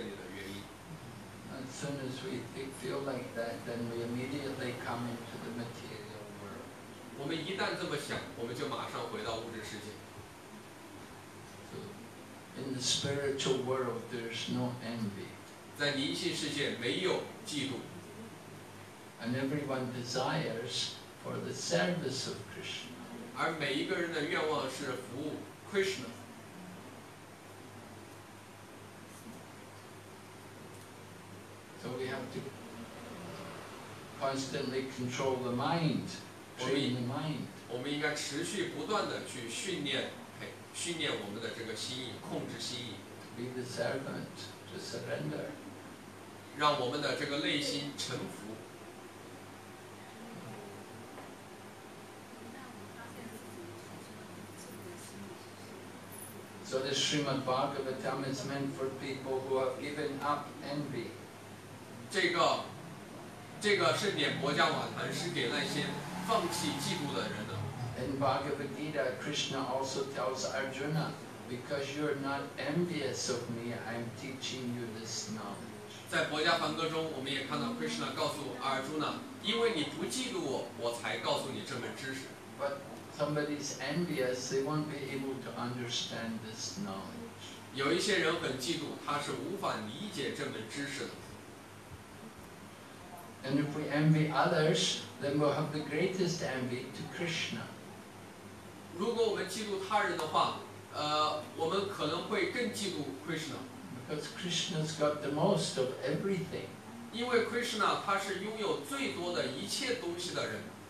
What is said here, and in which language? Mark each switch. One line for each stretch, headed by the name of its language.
English: As soon as we feel like that, then we immediately come into the material world.
Chinese: 我们一旦这么想，我们就马上回到物质世界。
English: So, in the spiritual world, there's no envy.
Chinese: 在灵性世界没有嫉妒。
English: And everyone desires for the service of Krishna.
Chinese: 而每一个人的愿望是服务 Krishna.
English: constantly control the mind, train the mind.
Chinese: 我们应该持续不断地去训练我们的这个心意, 控制心意。
English: To be the servant, to surrender.
Chinese: 让我们的这个内心臣服。
English: So the Srimad Bhagavatam is meant for people who have given up envy.
Chinese: 这个圣典博伽瓦坛是给那些放弃嫉妒的人的。
English: In Bhagavad Gita, Krishna also tells Arjuna, because you are not envious of me, I am teaching you this knowledge.
Chinese: 在博伽梵歌中，我们也看到 Krishna 告诉 Arjuna, 因为你不嫉妒我，我才告诉你这门知识。
English: But somebody's envious, they won't be able to understand this knowledge.
Chinese: 有一些人很嫉妒，他是无法理解这门知识的。
English: And if we envy others, then we'll have the greatest envy to Krishna.
Chinese: 如果我们嫉妒他人的话，我们可能会更嫉妒 Krishna.
English: Because Krishna's got the most of everything.
Chinese: 因为 Krishna 他是拥有最多的一切东西的人。